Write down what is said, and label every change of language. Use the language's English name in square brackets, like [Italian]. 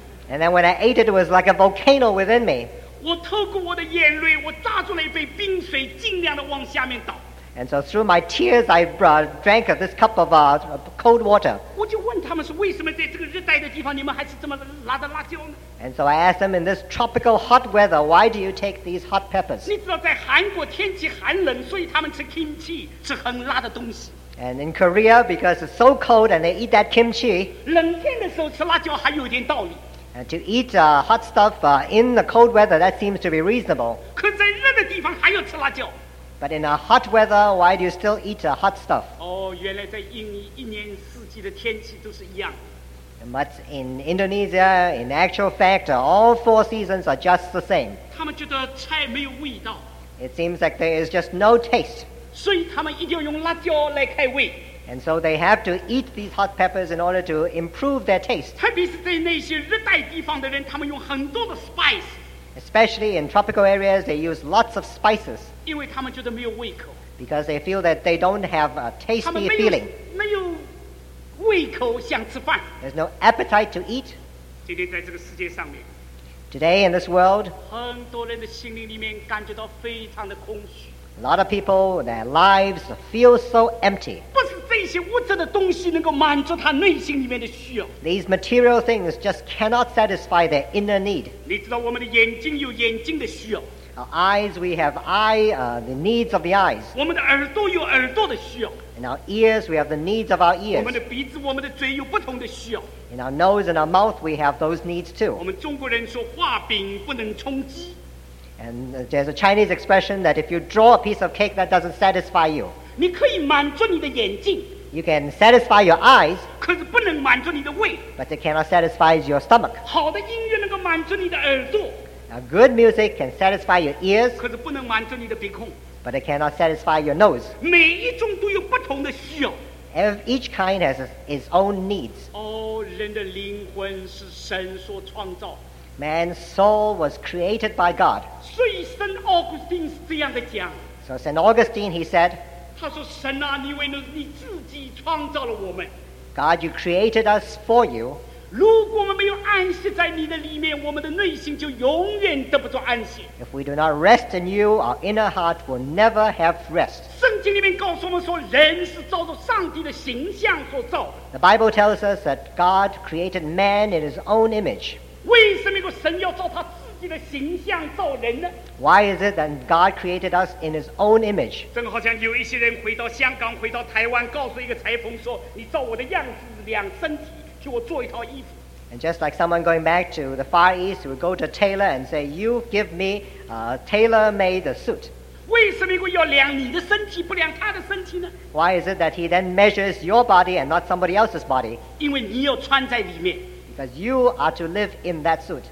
[English] And then when I ate it, it was like a volcano within me. [Chinese] 我透过我的眼泪，我抓住了一杯冰水，尽量的往下面倒。 [English] And so through my tears, I drank of this cup of cold water. [Chinese] 我就问他们说，为什么在这个热带的地方，你们还是这么辣的辣椒呢？ [English] And so I asked them, in this tropical hot weather, why do you take these hot peppers? [Chinese] 你知道在韩国天气寒冷，所以他们吃 kimchi， 吃很辣的东西。 [English] And in Korea, because it's so cold and they eat that kimchi, [Chinese] 冷天的时候吃辣椒还有点道理。 [English] And to eat hot stuff in the cold weather, that seems to be reasonable. [Chinese] 可在热的地方还要吃辣椒。 [English] But in a hot weather, why do you still eat the hot stuff? [Chinese] Oh, 原来在印尼一年四季的天气都是一样。 [English] But in Indonesia, in actual fact, all four seasons are just the same. [Chinese] 他们觉得菜没有味道。 [English] It seems like there is just no taste. [Chinese] 所以他们一定要用辣椒来开胃。 [English] And so they have to eat these hot peppers in order to improve their taste. [Chinese] 特别是在那些热带地方的人，他们用很多的 spice。 [English] Especially in tropical areas, they use lots of spices. [Chinese] 因为他们觉得没有胃口。 [English] Because they feel that they don't have a tasty feeling. [Chinese] 他们没有胃口想吃饭。 [English] There's no appetite to eat. [Chinese] 今天在这个世界上面。 [English] Today in this world, [Chinese] 很多人的心灵里面感觉到非常的空虚。 [English] A lot of people, their lives feel so empty. [Chinese] 不是这些物质的东西能够满足他内心里面的需要。 [English] These material things just cannot satisfy their inner need. [Chinese] 你知道我们的眼睛有眼睛的需要。 [English] Our eyes, we have the needs of the eyes. [Chinese] 我们的耳朵有耳朵的需要。 [English] In our ears, we have the needs of our ears. [Chinese] 我们的鼻子，我们的嘴有不同的需要。 [English] In our nose and our mouth, we have those needs too. [Chinese] 我们中国人说画饼不能充饥。 [English] And there's a Chinese expression that if you draw a piece of cake, that doesn't satisfy you. [Chinese] 你可以满足你的眼睛。 [English] You can satisfy your eyes. [Chinese] 可是不能满足你的胃。 [English] But it cannot satisfy your stomach. [Chinese] 好的音乐能够满足你的耳朵。 [English] Now, good music can satisfy your ears. [Chinese] 可是不能满足你的鼻孔。 [English] But it cannot satisfy your nose. [Chinese] 每一种都有不同的需要。 [English] Each kind has its own needs. [Chinese] 哦，人的灵魂是神所创造。 [English] Man's soul was created by God. [Chinese] 所以圣奥古斯丁是这样的讲。 [English] So Saint Augustine, he said. [Chinese] 他说：“神啊，你为你自己创造了我们。 [English] God, you created us for you. [Chinese] 如果我们没有安息在你的里面，我们的内心就永远得不到安息。 [English] If we do not rest in you, our inner heart will never have rest. [Chinese] 圣经里面告诉我们说，人是照着上帝的形象所造。 [English] The Bible tells us that God created man in His own image. [Chinese] 为什么一个神要照他自己的形象造人呢？ [English] Why is it that God created us in His own image? [Chinese] 正好像有一些人回到香港，回到台湾，告诉一个裁缝说：“你照我的样子量身体，替我做一套衣服。” [English] And just like someone going back to the Far East, who go to a tailor and say, "You give me a tailor-made suit." [Chinese] 为什么一个要量你的身体，不量他的身体呢？ [English] Why is it that He then measures your body and not somebody else's body? [Chinese] 因为你要穿在里面。 [English] Because you are to live in that suit.